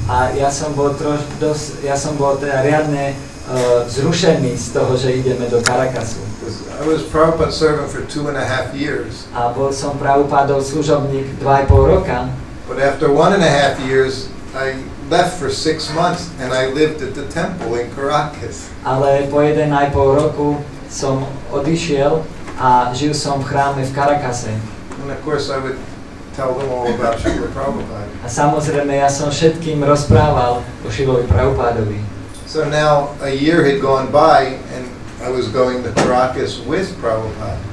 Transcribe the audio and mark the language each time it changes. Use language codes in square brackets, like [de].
[sk] A ja som bol teda riadne vzrušený z toho, že ideme do Caracasu. [en] I was Prabhupada's servant for 2.5 years. [sk] A bol som Prabhupádov služobník 2.5 roka. [en] But after 1.5 years, I left for 6 months and I lived at the temple in Caracas. [sk] Ale po 1.5 roku som odišiel a žil som v chráme v Caracase. [en] And of course I would tell them all about Srila Prabhupada. [sk] A samozrejme, ja som všetkým rozprával o Šilovi Prabhupádovi. [en] So now a year had gone by and I was going to Caracas with Prabhupada.